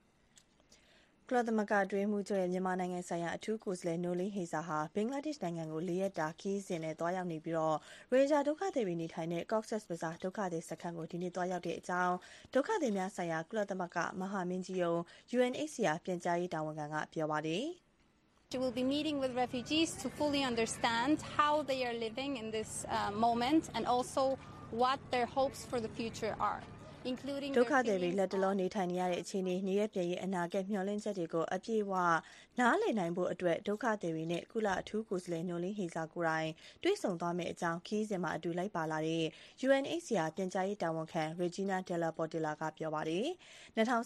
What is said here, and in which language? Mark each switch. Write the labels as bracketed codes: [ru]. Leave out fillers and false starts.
[my] ကလသမကအတွင်းမှုချုပ်ရဲ့မြန်မာနိုင်ငံဆိုင်ရာအထူးကိုယ်စားလှယ်နိုလင်းဟေစာဟာဘင်္ဂလားဒေ့ရှ်နိုင်ငံကို၄ရက်တာခီးစဉ်နဲ့သွားရောက်နေပြီးတော့ရေဂျာဒုက္ခသည်ပြည်နေထိုင်တဲ့ Cox's Bazar ဒုက္ခသည်စခန်းကိုဒီနေ့သွားရောက်တဲ့အကြောင်းဒုက္ခသည်များဆိုင်ရာကုလသမဂ္ဂမဟာမင်းကြီးယုံ UNHCR ပြန်ကြားရေးတာဝန်ခံကပြောပါသေး [en] You will be meeting with refugees to fully understand how they are living in this moment and also what their hopes for the future are including [my] ဒုက္ခသည်တွေလက်တလုံးနေထိုင်ရတဲ့အခြေအနေနေရပြည်အနာကမျှော်လင့်ချက်တွေကိုအပြည့်ဝနားလည်နိုင်ဖို့အတွက်ဒုက္ခသည်တွေနဲ့ကုလအထူးကိုယ်စားလှယ်ညွှန်လင်းဟေစာကိုတိုင်တွေးဆောင်သွားမယ်အကြောင်းခီးစင်မှာအတူလိုက်ပါလာတဲ့ UNHCR ပြန်ကြားရေးတာဝန်ခံ Regina Della Portella ကပြောပါတယ်။2019